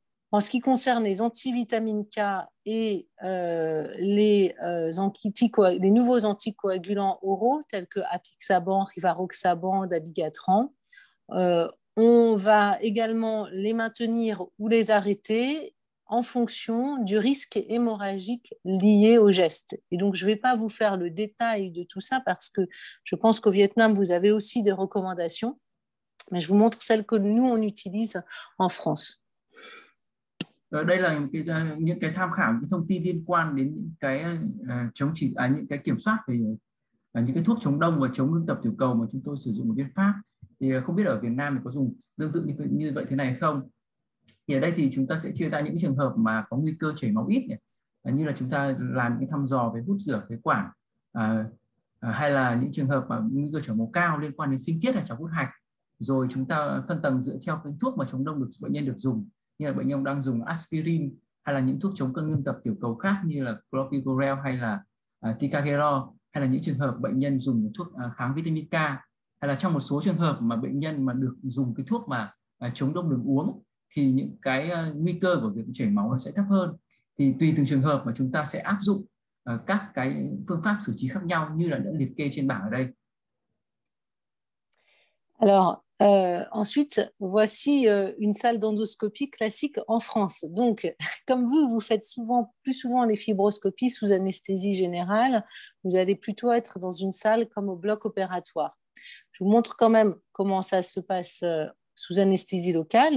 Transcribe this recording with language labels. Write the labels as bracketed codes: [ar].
[fr] En ce qui concerne les antivitamines K et les nouveaux anticoagulants oraux tels que apixaban, rivaroxaban, dabigatran, on va également les maintenir ou les arrêter en fonction du risque hémorragique lié au geste. Et donc, je ne vais pas vous faire le détail de tout ça parce que je pense qu'au Vietnam, vous avez aussi des recommandations, mais je vous montre celles que nous, on utilise en France. [vi] Đây là những cái tham khảo, những thông tin liên quan đến những cái chống chỉ những cái kiểm soát về những cái thuốc chống đông và chống ngưng tập tiểu cầu mà chúng tôi sử dụng ở bên Pháp, thì không biết ở Việt Nam có dùng tương tự như vậy thế này không. Thì ở đây thì chúng ta sẽ chia ra những trường hợp mà có nguy cơ chảy máu ít nhỉ? Như là chúng ta làm những thăm dò về hút rửa phế quản, hay là những trường hợp mà nguy cơ chảy máu cao liên quan đến sinh thiết là cháu hút hạch, rồi chúng ta phân tầng dựa theo cái thuốc mà chống đông được bệnh nhân được dùng, như là bệnh nhân đang dùng aspirin hay là những thuốc chống cơn ngưng tập tiểu cầu khác như là clopidogrel hay là ticagrelor, hay là những trường hợp bệnh nhân dùng thuốc kháng vitamin K, hay là trong một số trường hợp mà bệnh nhân mà được dùng cái thuốc mà chống đông đường uống thì những cái nguy cơ của việc chảy máu nó sẽ thấp hơn. Thì tùy từng trường hợp mà chúng ta sẽ áp dụng các cái phương pháp xử trí khác nhau như là đã liệt kê trên bảng ở đây. [fr] Alors, ensuite, voici une salle d'endoscopie classique en France. Donc, comme vous, vous faites souvent, plus souvent les fibroscopies sous anesthésie générale, vous allez plutôt être dans une salle comme au bloc opératoire. Je vous montre quand même comment ça se passe sous anesthésie locale.